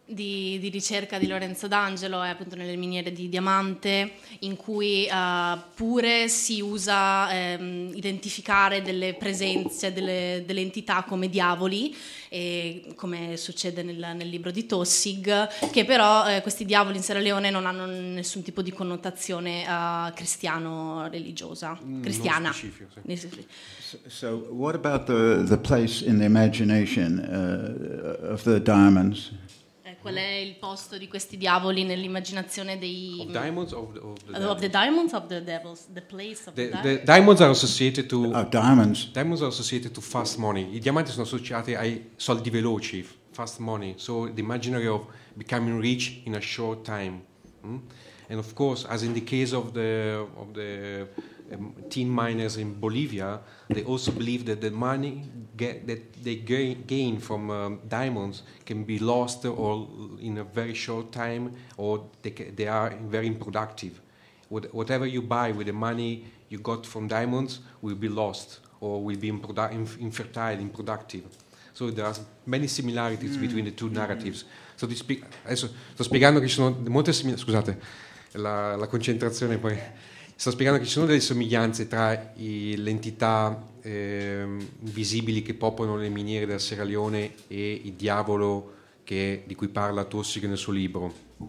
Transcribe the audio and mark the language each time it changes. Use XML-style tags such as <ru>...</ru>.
<it>di ricerca di Lorenzo D'Angelo è appunto nelle miniere di diamante, in cui pure si usa identificare delle presenze, delle entità come diavoli, e come succede nel libro di Tossig, che però questi diavoli in Sierra Leone non hanno nessun tipo di connotazione cristiano-religiosa, cristiana. Non specifico, sì.</it> <en>So what about the place in the imagination of the diamonds?</en> <it>Qual è il posto di questi diavoli nell'immaginazione dei</it> <en>of diamonds of the diamonds of the devils, the place of the diamonds are associated to diamonds. Diamonds are associated to fast money.</en> <it>I diamanti sono associati ai soldi veloci,</it> <en>fast money. So the imaginary of becoming rich in a short time. And of course, as in the case of the tin miners in Bolivia, they also believe that the money that they gain from diamonds can be lost or in a very short time, or they are very unproductive. Whatever you buy with the money you got from diamonds will be lost or will be infertile, unproductive. So there are many similarities between the two narratives.</en> <it>So adesso sto spiegando che ci sono molte similarità. Scusate, la concentrazione poi. Sto spiegando che ci sono delle somiglianze tra le entità visibili che popolano le miniere della Sierra Leone e il diavolo di cui parla Tossig nel suo libro.</it>